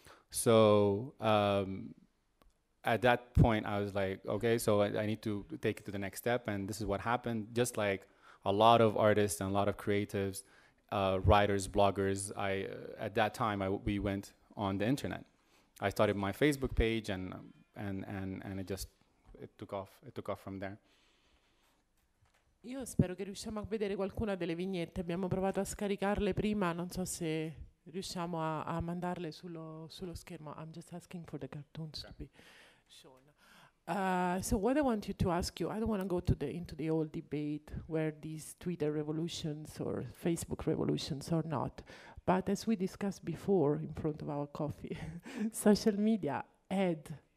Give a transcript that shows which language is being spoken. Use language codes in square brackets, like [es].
[en] So at that point, I was like, okay, so I need to take it to the next step, and this is what happened. Just like a lot of artists and a lot of creatives, writers, bloggers, we went on the internet. I started my Facebook page, and it took off from there. [it] Io spero che riusciamo a vedere qualcuna delle vignette. Abbiamo provato a scaricarle prima, non so se riusciamo a mandarle sullo schermo. [en] I'm just asking for the cartoons to be shown. So what I want you to ask you, I don't want to go into the old debate where these Twitter revolutions or Facebook revolutions or not, but as we discussed before in front of our coffee, social media had